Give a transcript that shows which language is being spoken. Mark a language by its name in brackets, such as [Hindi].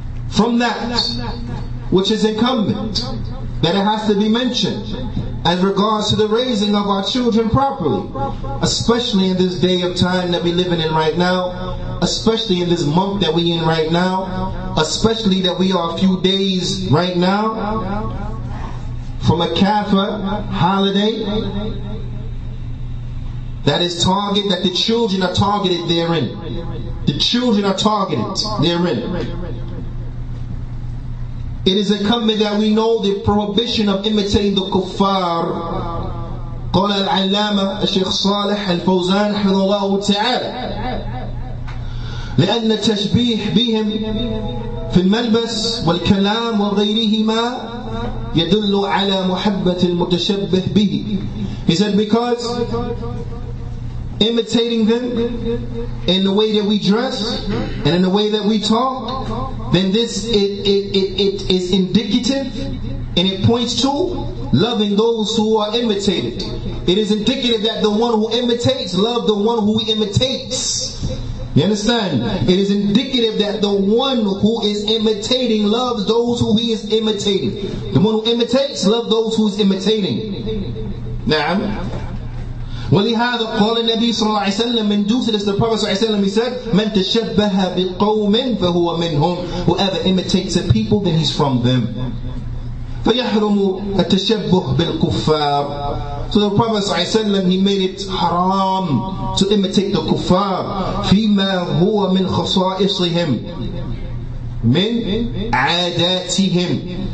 [English] From that, which is incumbent, that it has to be mentioned as regards to the raising of our children properly, especially in this day of time that we're living in right now, especially in this month that we're in right now, especially that we are a few days right now from a Kafir holiday that is targeted, that the children are targeted therein. The children are targeted therein. It is incumbent that we know the prohibition of imitating the kuffar. [Arabic] قال العلامة الشيخ صالح الفوزان حفظه الله تعالى لأن التشبيه بهم في الملبس والكلام وغيرهما يدل على محبة المتشبه به. [English] He said because imitating them in the way that we dress and in the way that we talk, then this it is indicative and it points to loving those who are imitated. It is indicative that the one who imitates love the one who imitates. You understand? It is indicative that the one who is imitating loves those who he is imitating. The one who imitates loves those who is imitating. [Arabic] Na'am. ولهذا قال النبي صلى الله عليه وسلم من دوسه الرسول صلى الله عليه وسلم [English] he said [Arabic] من تشبه بقوم فهو منهم. [English] Whoever imitates a people then he's from them. [Arabic] فيحرم التشبه بالكفار. [English] So the Prophet صلى الله عليه وسلم he made it haram to imitate the kuffar [Arabic] فيما هو من خصائصهم من عاداتهم.